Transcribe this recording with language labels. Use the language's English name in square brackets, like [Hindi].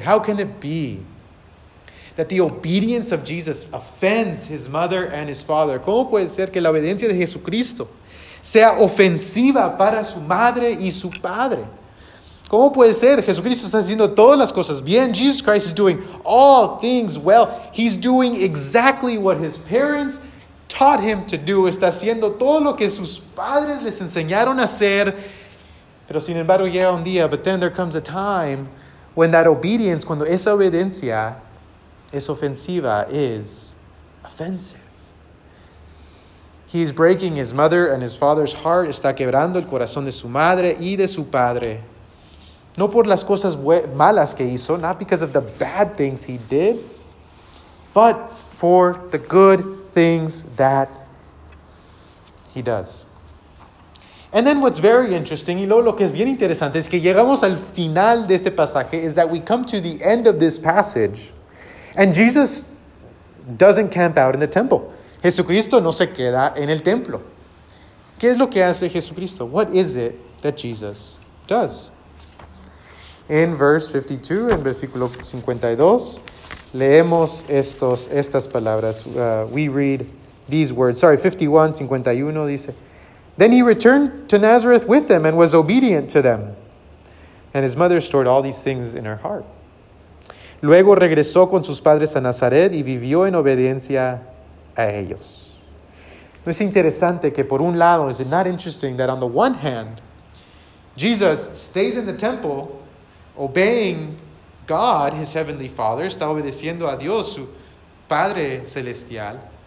[English] How can it be that the obedience of Jesus offends his mother and his father? [Spanish] ¿Cómo puede ser que la obediencia de Jesucristo sea ofensiva para su madre y su padre? ¿Cómo puede ser? Jesucristo está haciendo todas las cosas bien. [English] Jesus Christ is doing all things well. He's doing exactly what his parents taught him to do. [Spanish] Está haciendo todo lo que sus padres les enseñaron a hacer. Pero sin embargo llega un día, [English] but then there comes a time when that obedience, [Spanish] cuando esa obediencia es ofensiva, [English] is offensive. He is breaking his mother and his father's heart. [Spanish] Está quebrando el corazón de su madre y de su padre. No por las cosas malas que hizo, [English] not because of the bad things he did, but for the good things that he does. And then what's very interesting, [Spanish] y luego lo que es bien interesante, es que llegamos al final de este pasaje, [English] is that we come to the end of this passage, and Jesus doesn't camp out in the temple. [Spanish] Jesucristo no se queda en el templo. ¿Qué es lo que hace Jesucristo? [English] What is it that Jesus does? In verse 52, [Spanish] en versículo 52, leemos estas palabras. [English] We read these words. Sorry, 51, 51 dice, then he returned to Nazareth with them and was obedient to them. And his mother stored all these things in her heart. [Spanish] Luego regresó con sus padres a Nazaret y vivió en obediencia a ellos. No es interesante que por un lado, [English] is it not interesting that on the one hand, Jesus stays in the temple, obeying God, his heavenly Father, [Spanish] está obedeciendo a Dios, su Padre Celestial.